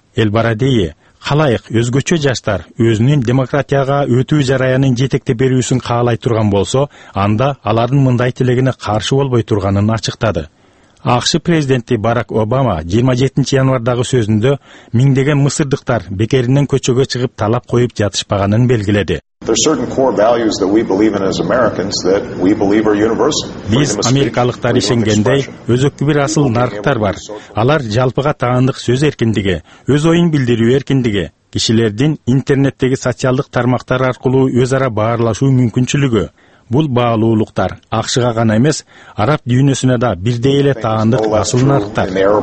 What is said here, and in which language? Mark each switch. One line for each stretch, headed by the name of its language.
Kyrgyz: Эль-Барадии: «Халайык өзгөчө жаштар өзүнүн демократияга өтүү жараянын жетектеп берүүсүн каалай турган болсо, анда алардын мындай тилегине каршы болбой турганын ачыктады». АКШ президенти Барак Обама 27 январдагы сөзүндө миңдеген мысырдыктар бекеринен көчөгө чыгып талап коюп жатышпаганын белгиледи.
English: There are certain core values that we believe in as Americans that we believe are universal.
Kyrgyz: Биз Америкалыктар ишенгендей, өзөккү бир асыл нарктар бар. Алар жалпыга таандык сөз эркиндиги, өз оюн билдирүү эркиндиги, кишилердин интернеттеги социалдык тармактар аркылуу өз ара баарлашуу мүмкүнчүлүгү. Бул баалуулуктар АКШга гана эмес, араб дүйнөсүнө да бирдей эле таандык асыл нарктар.